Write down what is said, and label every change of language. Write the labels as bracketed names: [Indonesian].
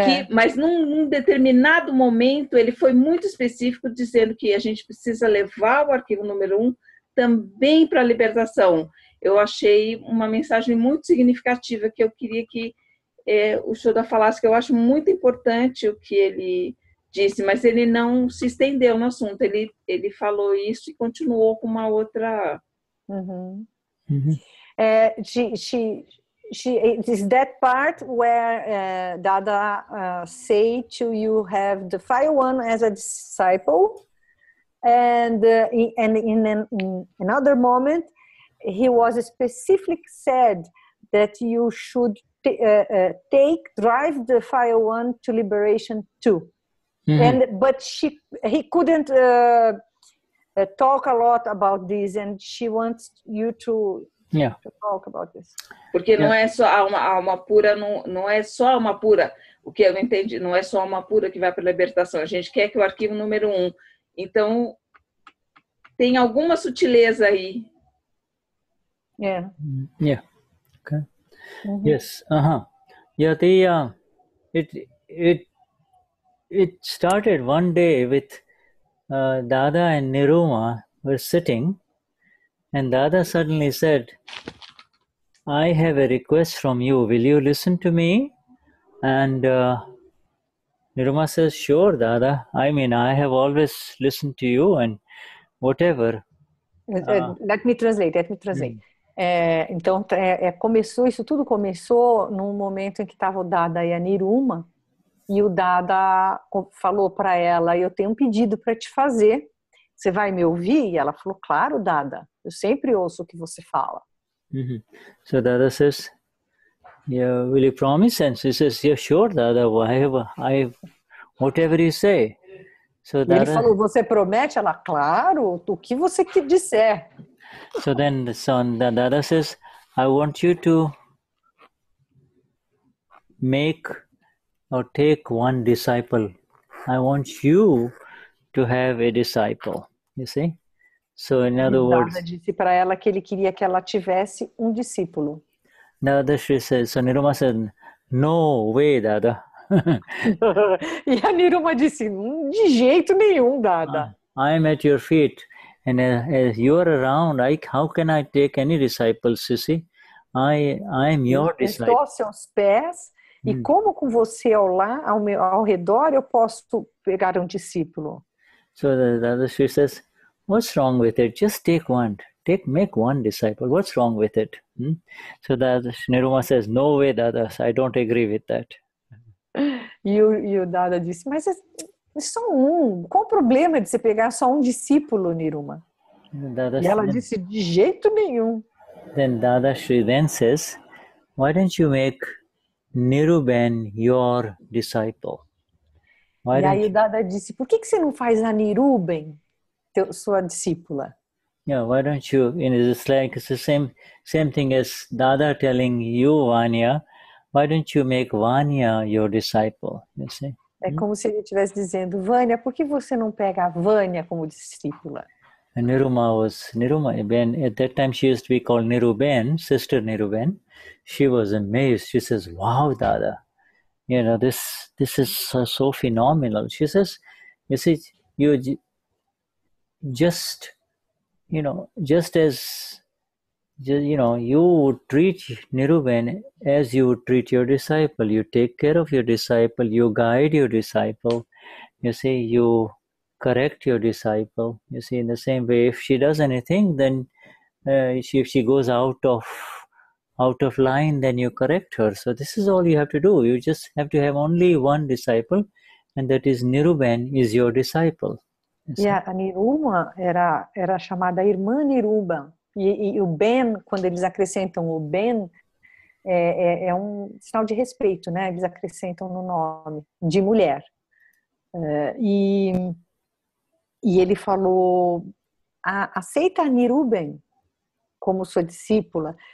[Portuguese] Mas num determinado momento, ele foi muito específico, dizendo que a gente precisa levar o arquivo número 1 também para a libertação. Eu achei uma mensagem muito significativa, que eu queria que o Shoda falasse, que eu acho muito importante o que ele disse, mas ele não se estendeu no assunto. Ele falou isso e continuou com uma outra. [English] Is that part where Dada say to you have the fire one as a disciple, and in another moment he was specifically said that you should drive the fire one to liberation too. But he couldn't talk a lot about this, and she wants you to talk about this. [Portuguese] Porque não é só alma pura, não é só alma pura, o que eu entendi, não é só alma pura que vai para a libertação, a gente quer que o arquivo número 1. Então, tem alguma sutileza aí. [English] Yeah. Yeah. Okay. Mm-hmm. Yes. Uh-huh. Yeah, the it started one day with Dada and Niruma were sitting, and Dada suddenly said, "I have a request from you. Will you listen to me?" And Niruma says, "Sure, Dada. I mean, I have always listened to you and whatever." Let me translate. [Portuguese] Então, começou, isso tudo começou num momento em que estava o Dada e a Niruma, e o Dada falou para ela, eu tenho um pedido para te fazer, você vai me ouvir? E ela falou, claro, Dada, eu sempre ouço o que você fala. [English] Uhum. So Dada says, yeah, will you promise? And she says, yeah, sure, Dada, whatever you say. So Dada... [Portuguese] Ele falou, você promete? Ela, claro, o que você que disser. [English] So then the son, Dada says, I want you to make or take one disciple. I want you to have a disciple. You see? So in other words, [Portuguese] Dada disse para ela que ele queria que ela tivesse um discípulo. [English] Dada says, so Niruma said, no way, Dada. [Portuguese] E a Niruma disse, de jeito nenhum, Dada. [English] I am at your feet. And as you are around, how can I take any disciples, you see? I am your disciple. [Portuguese] Estou aos seus pés, e como com você ao lá, ao redor, eu posso pegar um discípulo? [English] So the she says, what's wrong with it? Just take one. Make one disciple. What's wrong with it? Hmm? So the Niruma says, no way, Dada. I don't agree with that. [Portuguese] E o Dada disse, mas... Só um. Qual o problema de você pegar só um discípulo, Niruma? E ela disse, de jeito nenhum. [English] Then Dada Shri then says, why don't you make Niruben your disciple? Why e aí you... [Portuguese] Dada disse, por que você não faz a Niruben sua discípula? [English] Yeah, why don't you, it's like it's the same thing as Dada telling you, Vanya, why don't you make Vanya your disciple, you see? [Portuguese] É como se ele estivesse dizendo, Vânia, por que você não pega a Vânia como discípula? [English] And Niruma was, Niruma, Ben, at that time she used to be called Niruben, sister Niruben. She was amazed. She says, wow, Dada, you know, this is so phenomenal. She says, you see, you would treat Niruben as you would treat your disciple. You take care of your disciple. You guide your disciple. You see, you correct your disciple. You see, in the same way, if she does anything, then if she goes out of line, then you correct her. So this is all you have to do. You just have to have only one disciple, and that is Niruben is your disciple. [Portuguese] Yeah, a Niruma era chamada Irmã Niruba. E o Ben, quando eles acrescentam o Ben, é um sinal de respeito, né? Eles acrescentam no nome de mulher. E ele falou, aceita a Niruben como sua discípula.